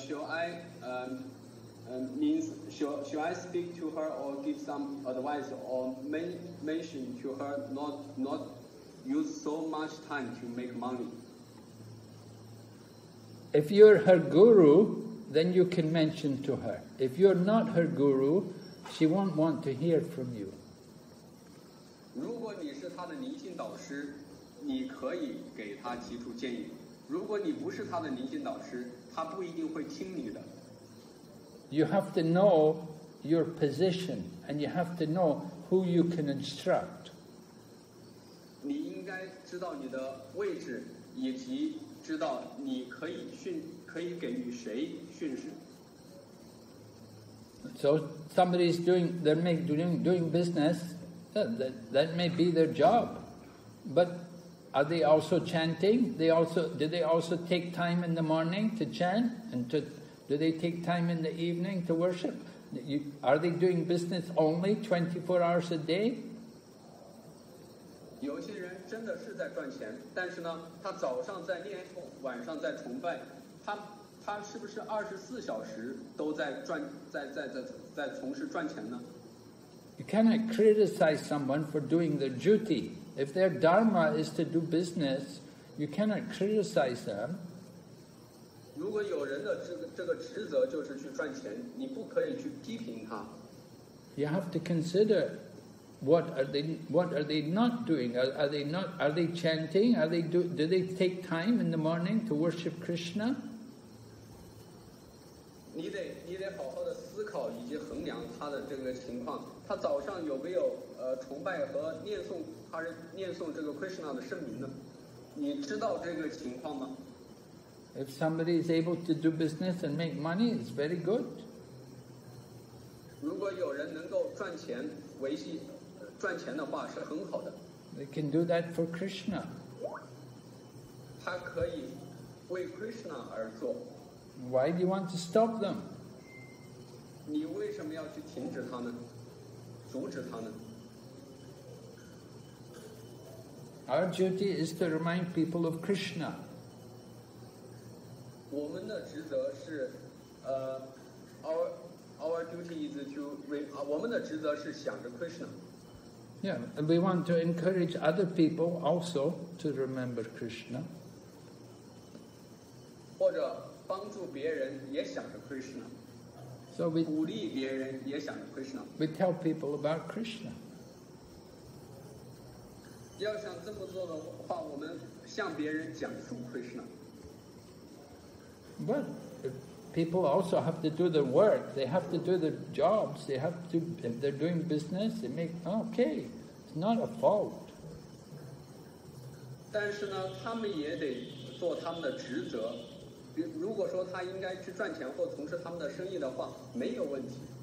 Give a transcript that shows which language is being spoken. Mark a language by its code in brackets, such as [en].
[en] Shall I speak to her or give some advice or mention to her not use so much time to make money? If you're her guru, then you can mention to her. If you're not her guru, she won't want to hear from you. [zh] 如果你是她的灵性导师，你可以给她提出建议。如果你不是她的灵性导师，她不一定会听你的。 [en] You have to know your position, and you have to know who you can instruct. [zh] 你应该知道你的位置，以及知道你可以训，可以给予谁训示。 [en] So somebody is doing, they're doing business, that may be their job. But are they also chanting? Do they also take time in the morning to chant? Do they take time in the evening to worship? Are they doing business only 24 hours a day? [zh] 有些人真的是在赚钱，但是呢，他早上在念，晚上在崇拜，他是不是24小时都在赚，在从事赚钱呢？ [en] You cannot criticize someone for doing their duty. If their dharma is to do business, you cannot criticize them. [zh] 如果有人的这个职责就是去赚钱，你不可以去批评他。 [en] You have to consider what are they not doing? Are they chanting? Do they take time in the morning to worship Krishna? [zh] 你得好好的思考以及衡量他的这个情况，他早上有没有崇拜和念诵这个 Krishna 的圣名呢？你知道这个情况吗？ [en] If somebody is able to do business and make money, it's very good. [zh] 如果有人能够赚钱维系赚钱的话是很好的。 [en] They can do that for Krishna. [zh] 他可以为 Krishna 而做。 [en] Why do you want to stop them? [zh] 你为什么要去停止他们，阻止他们？ [en] Our duty is to remind people of Krishna. [zh] 我们的职责是 [en] our duty is to remind, [zh] 我们的职责是想着 Krishna. [en] Yeah, and we want to encourage other people also to remember Krishna. [zh] 或者帮助别人也想着 Krishna. [en] So we [zh] 鼓励别人也想着 Krishna. [en] We tell people about Krishna. [zh] 要想这么做的话，我们向别人讲述 Krishna. [en] But people also have to do their work. They have to do their jobs. They have to, if they're doing business, they make, okay. It's not a fault. [zh] 但是呢，他们也得做他们的职责。如果说他应该去赚钱或从事他们的生意的话，没有问题。